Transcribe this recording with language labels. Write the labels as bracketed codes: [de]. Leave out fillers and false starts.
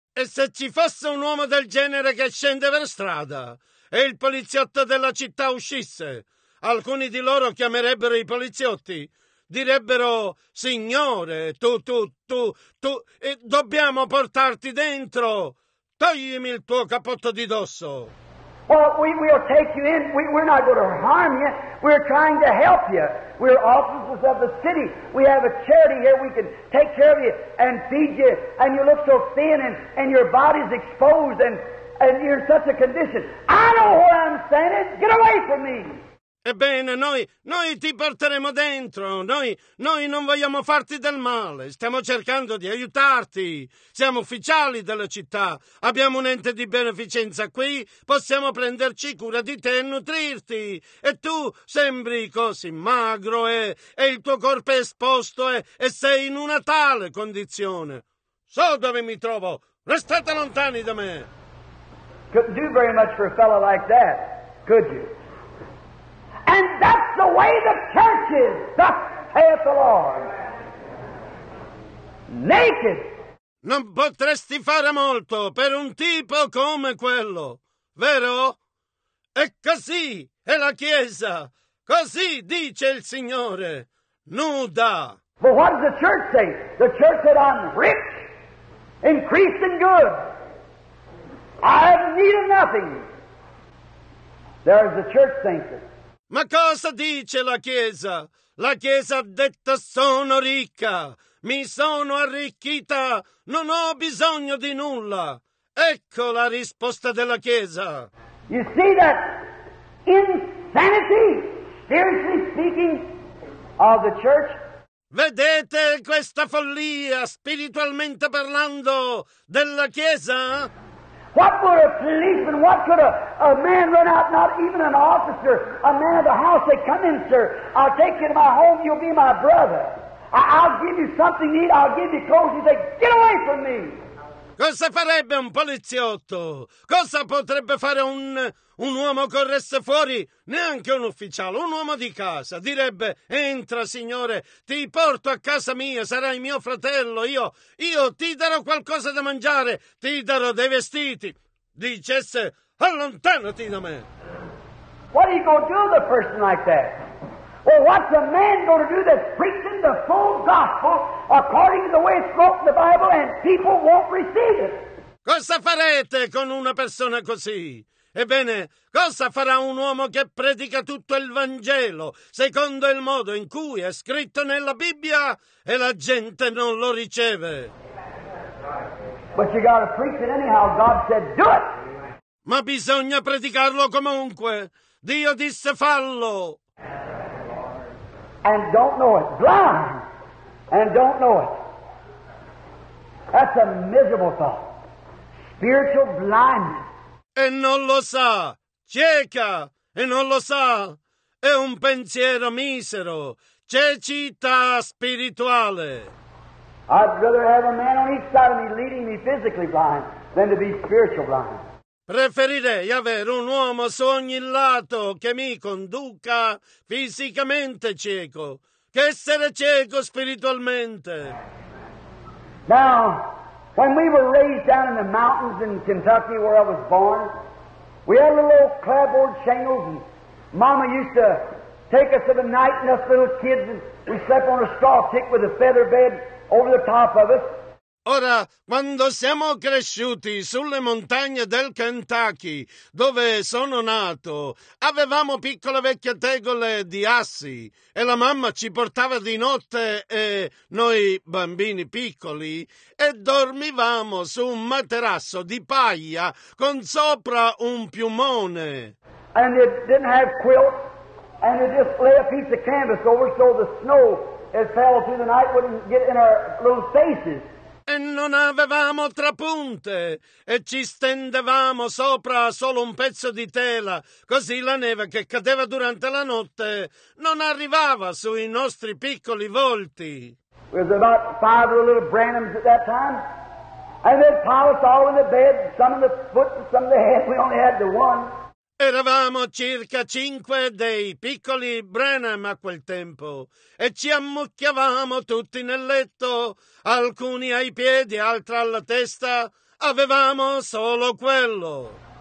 [it] E se ci fosse un uomo del genere che scende per strada e il poliziotto della città uscisse, alcuni di loro chiamerebbero i poliziotti. Direbbero, signore, tu, e dobbiamo portarti dentro. Toglimi il tuo cappotto di dosso. [en] Well, we'll take you in. We're not going to harm you. We're trying to help you. We're officers of the city. We have a charity here. We can take care of you and feed you. And you look so thin and your body's exposed and you're in such a condition. I know what I'm saying. Get away from me. [it] Ebbene, noi ti porteremo dentro, noi non vogliamo farti del male, stiamo cercando di aiutarti, siamo ufficiali della città, abbiamo un ente di beneficenza qui, possiamo prenderci cura di te e nutrirti, e tu sembri così magro e il tuo corpo è esposto e sei in una tale condizione. So dove mi trovo, restate lontani da me. [en] Couldn't do very much for a fellow like that, could you? And that's the way the church is, thus saith the Lord. Naked. [it] Non potresti fare molto per un tipo come quello, vero? E così è la Chiesa, così dice il Signore, nuda. [en] But what does the church say? The church said, "I'm rich, increased in good. I have need of nothing." There is the church saying it. [it] Ma cosa dice la Chiesa? La Chiesa ha detto, sono ricca, mi sono arricchita, non ho bisogno di nulla. Ecco la risposta della Chiesa. [en] You see that insanity, spiritually speaking, of the church? [it] Vedete questa follia, spiritualmente parlando, della Chiesa? [en] What would a policeman, what could a man run out, not even an officer, a man of the house, say, "Come in, sir, I'll take you to my home, you'll be my brother. I'll give you something to eat, I'll give you clothes." He'd say, "Get away from me!" [it] Cosa farebbe un poliziotto? Cosa potrebbe fare un uomo corresse fuori? Neanche un ufficiale, un uomo di casa. Direbbe, entra signore, ti porto a casa mia, sarai mio fratello, io ti darò qualcosa da mangiare, ti darò dei vestiti. Dicesse, allontanati da me. [en] What are you going to do with a person like that? Well, what's a man going to do that's preaching the full gospel according to the way it's wrote in the Bible and people won't receive it? [it] Cosa farete con una persona così? Ebbene, cosa farà un uomo che predica tutto il Vangelo secondo il modo in cui è scritto nella Bibbia e la gente non lo riceve? [en] But you got to preach it anyhow. God said, do it! [it] Ma bisogna predicarlo comunque. Dio disse, fallo! [en] And don't know it. Blind! And don't know it. That's a miserable thought. Spiritual blindness. [it] e non lo sa, cieca e non lo sa, è un pensiero misero, cecità spirituale. [en] I'd rather have a man on each side of me leading me physically blind than to be spiritual blind. [it] Preferirei avere un uomo su ogni lato che mi conduca fisicamente cieco che essere cieco spiritualmente. [en] Now, when we were raised down in the mountains in Kentucky where I was born, we had little old clapboard shingles and Mama used to take us at night and us little kids and we slept on a straw tick with a feather bed over the top of us. [it] Ora, quando siamo cresciuti sulle montagne del Kentucky, dove sono nato, avevamo piccole vecchie tegole di assi e la mamma ci portava di notte e noi bambini piccoli e dormivamo su un materasso di paglia con sopra un piumone. [en] And it didn't have quilt and it just lay a piece of canvas over so the snow that fell through the night wouldn't get in our little faces. [it] E non avevamo trapunte e ci stendevamo sopra solo un pezzo di tela, così la neve che cadeva durante la notte non arrivava sui nostri piccoli volti. [en] There was about five little Branhams at that time, and they'd pile us all in the bed, some in the foot and some in the head, we only had the one. [it] Eravamo circa cinque dei piccoli Branham a quel tempo e ci ammucchiavamo tutti nel letto, alcuni ai piedi, altri alla testa, avevamo solo quello.